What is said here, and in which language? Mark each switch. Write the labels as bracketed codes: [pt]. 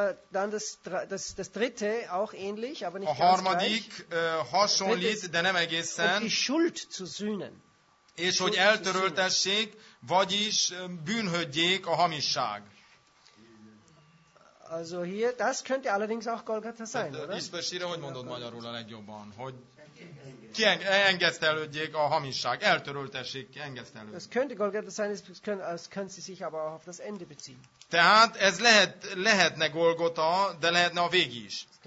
[de] Dann das dritte auch ähnlich, aber nicht ganz gleich. [hu] A harmadik hasonlít, de nem egészen. [de] Die Schuld zu sühnen. [hu] És hogy eltöröltessék, vagyis bűnhődjék a hamisság. [de] Also hier, das könnte allerdings auch Golgatha sein, oder? [hu] Ispasire, hogy mondod magyarul a legjobban, hogy kiengesztelődjék a hamisság, eltöröltessék, kiengesztelődjék. [de] Das könnte Golgatha sein, das können Sie sich aber auch auf das Ende beziehen. [hu] Tehát ez lehetne Golgotha, de lehetne a vég is.